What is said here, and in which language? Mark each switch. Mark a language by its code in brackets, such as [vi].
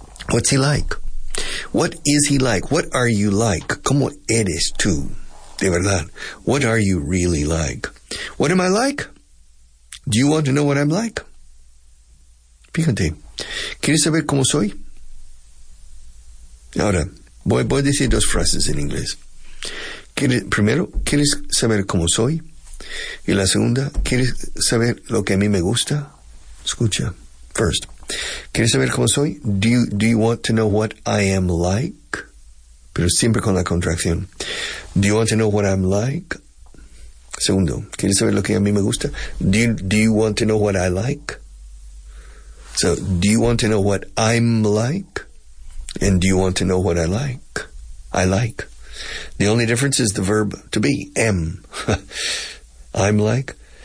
[en] What's he like? What is he like? What are you like? [es] ¿Cómo eres tú? De verdad. [en] What are you really like? What am I like? Do you want to know what I'm like? [es] Fíjate. ¿Quieres saber cómo soy? Ahora, voy a decir dos frases en inglés. Primero, ¿quieres saber cómo soy? Y la segunda, ¿quieres saber lo que a mí me gusta? Escucha. First, ¿quieres saber cómo soy? [en] Do you want to know what I am like? [es] Pero siempre con la contracción. [en] Do you want to know what I'm like? [es] Segundo, ¿quieres saber lo que a mí me gusta? [en] Do you want to know what I like? So, do you want to know what I'm like? And do you want to know what I like? I like. The only difference is the verb to be, am. I'm like.